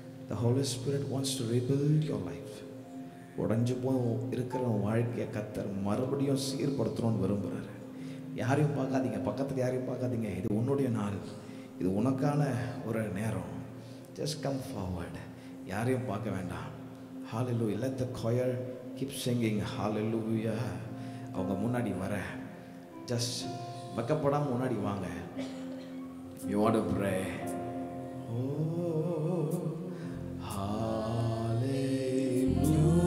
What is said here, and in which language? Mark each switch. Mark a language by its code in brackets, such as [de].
[en] The holy spirit wants to rebuild your life. [ta] உடஞ்சி போ இருக்கிற வாழ்க்கையை கத்தர் மறுபடியும் சீர்படுத்தணும்னு விரும்புகிறார். யாரையும் பார்க்காதீங்க, பக்கத்தில் யாரையும் பார்க்காதீங்க. இது உன்னுடைய நாள், இது உனக்கான ஒரு நேரம். [en] Just come forward. [ta] யாரையும் பார்க்க வேண்டாம். [en] Hallelujah. Let the choir keep singing hallelujah. [ta] அவங்க முன்னாடி வர, ஜஸ்ட் வைக்கப்படாமல் முன்னாடி வாங்க. [en] You want to pray? Oh, hallelujah.